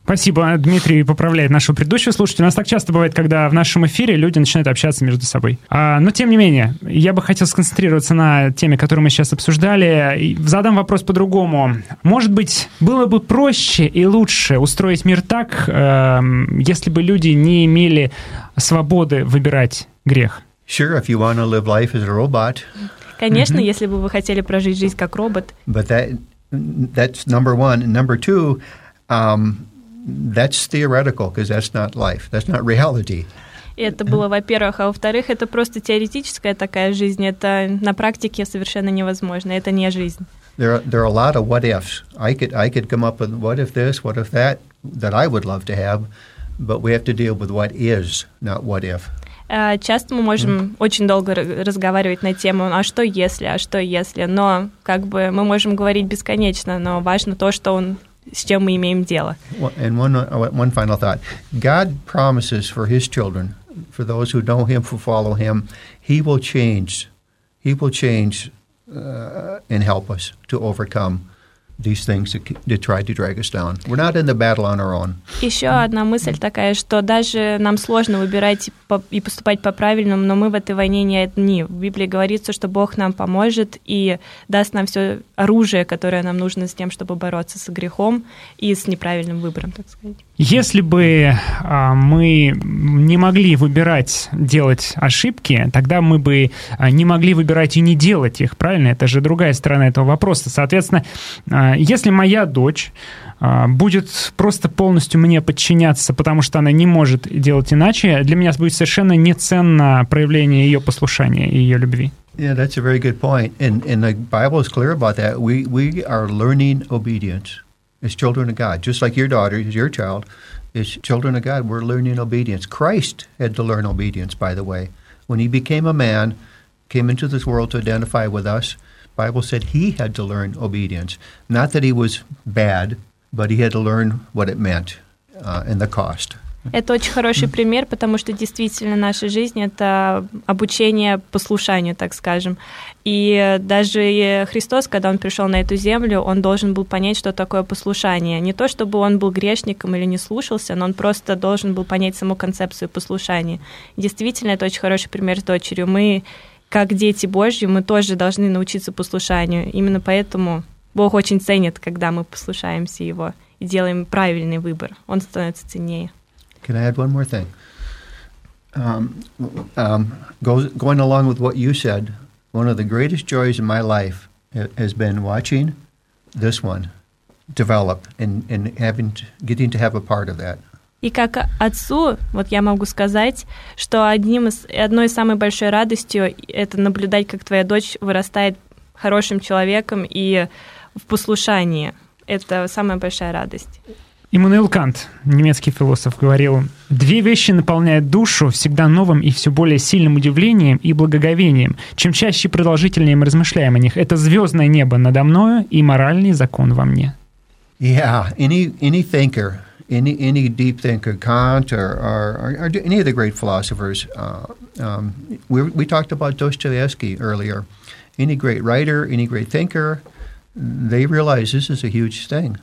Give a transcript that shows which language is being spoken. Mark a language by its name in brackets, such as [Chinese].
[Russian] Спасибо, Дмитрий поправляет нашего предыдущего слушателя. У нас так часто бывает, когда в нашем эфире люди начинают общаться между собой. Но, тем не менее, я бы хотел сконцентрироваться на теме, которую мы сейчас обсуждали. И задам вопрос по-другому. Может быть, было бы проще и лучше устроить мир так, если бы люди не имели свободы выбирать грех? [English] Sure, if you want to live life as a robot. [Russian] Конечно, mm-hmm. если бы вы хотели прожить жизнь как робот. [English] But that's number one. Number two, that's theoretical, because that's not life. That's not reality. [Russian] Это было, во-первых. А во-вторых, это просто теоретическая такая жизнь. Это на практике совершенно невозможно. Это не жизнь. [English] There are a лот of what-ifs. I could come up with what if this, what if that, that I would love to have, but we have to deal with what is, not what if. [Russian] Часто мы можем очень долго разговаривать на тему «а что если, а что если?», но как бы мы можем говорить бесконечно, но важно то, что с чем мы имеем дело. [English] Well, and one final thought. God promises for his children for those who know him, who follow him, he will change. He will change and help us to overcome these things that tried to drag us down. We're not in the battle on our own. [Russian] Еще одна мысль такая, что даже нам сложно выбирать и поступать по-правильному, но мы в этой войне не одни. В Библии говорится, что Бог нам поможет и даст нам все оружие, которое нам нужно с тем, чтобы бороться с грехом и с неправильным выбором, так сказать. Если бы мы не могли выбирать делать ошибки, тогда мы бы не могли выбирать и не делать их, правильно? Это же другая сторона этого вопроса. Соответственно, если моя дочь будет просто полностью мне подчиняться, потому что она не может делать иначе, для меня будет совершенно неценно проявление ее послушания и ее любви. [English] Yeah, that's a very good point. And the Bible is clear about that. We are learning obedience as children of God. Just like your daughter, as your child, as children of God, we're learning obedience. Christ had to learn obedience, by the way. When he became a man, came into this world to identify with us, Bible said he had to learn obedience. Not that he was bad, but he had to learn what it meant and the cost. [Russian] Это очень хороший пример, потому что действительно наша жизнь – это обучение послушанию, так скажем. И даже Христос, когда Он пришел на эту землю, Он должен был понять, что такое послушание. Не то, чтобы Он был грешником или не слушался, но Он просто должен был понять саму концепцию послушания. Действительно, это очень хороший пример с дочерью. Мы, как дети Божьи, мы тоже должны научиться послушанию. Именно поэтому Бог очень ценит, когда мы послушаемся Его и делаем правильный выбор. Он становится ценнее. [English] Can I add one more thing? Going along with what you said, one of the greatest joys in my life has been watching this one develop and getting to have a part of that. [Russian] И как отцу, вот я могу сказать, что одной из самой большой радостью это наблюдать, как твоя дочь вырастает хорошим человеком и в послушании. Это самая большая радость. Иммануил Кант, немецкий философ, говорил: «Две вещи наполняют душу всегда новым и все более сильным удивлением и благоговением. Чем чаще и продолжительнее мы размышляем о них, это звездное небо надо мною и моральный закон во мне». [English] Yeah, any thinker, any deep thinker, Kant or any of the great philosophers, we talked about Dostoevsky earlier. Any great writer, any great thinker, they realize this is a huge thing.